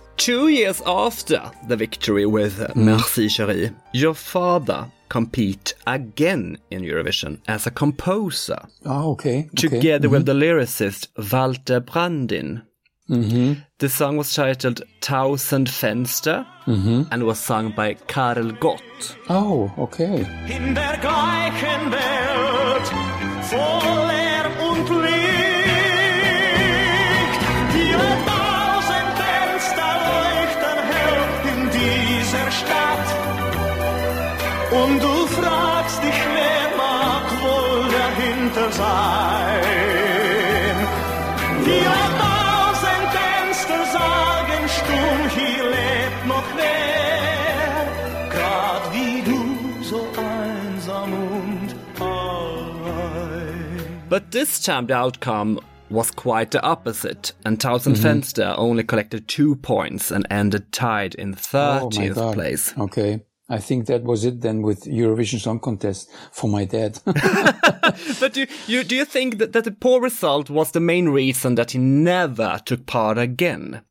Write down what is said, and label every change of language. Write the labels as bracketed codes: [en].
[en] 2 years after the victory with Merci Chérie, your father compete again in Eurovision as a composer. Oh, okay. Together with the lyricist Walter Brandin. Mm-hmm. The song was titled Tausend Fenster and was sung by Karel Gott. Oh, okay. [de] In der gleichen Welt voller und Licht, die tausend Fenster leuchten hell in dieser Stadt. Und du fragst dich, wer mag wohl dahinter sein? Die tausend Fenster sagen stumm, hier lebt noch wer. Grad wie du, so einsam und allein. [en] But this time the outcome was quite the opposite, and Tausend Fenster only collected 2 points and ended tied in 30th place. Okay. I think that was it then with Eurovision Song Contest for my dad. But do you think that the poor result was the main reason that he never took part again?